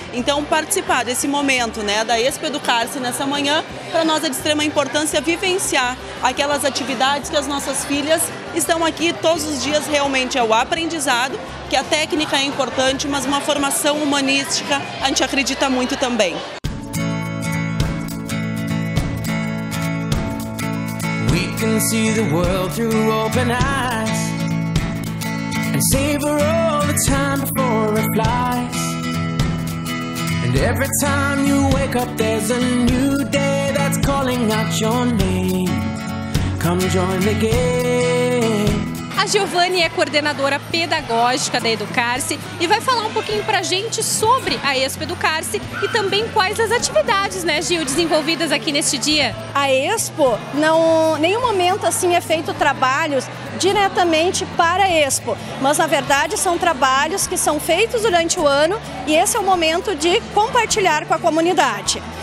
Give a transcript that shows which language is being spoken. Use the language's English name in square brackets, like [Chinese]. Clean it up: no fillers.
[Portuguese] Então, participar desse momento, né, da Expo Educar-se nessa manhã, para nós é de extrema importância vivenciar aquelas atividades que as nossas filhas estão aqui todos os dias. Realmente é o aprendizado, que a técnica é importante, mas uma formação humanística a gente acredita muito também. [English] And see the world through open eyes, and savor all the time before it flies. And every time you wake up, there's a new day that's calling out your name. Come join the game. [Portuguese] A Giovanni é coordenadora pedagógica da Educar-se e vai falar um pouquinho pra gente sobre a Expo Educar-se e também quais as atividades, né, Gil, desenvolvidas aqui neste dia. A Expo, não, nenhum momento assim é feito trabalhos diretamente para a Expo, mas na verdade são trabalhos que são feitos durante o ano e esse é o momento de compartilhar com a comunidade.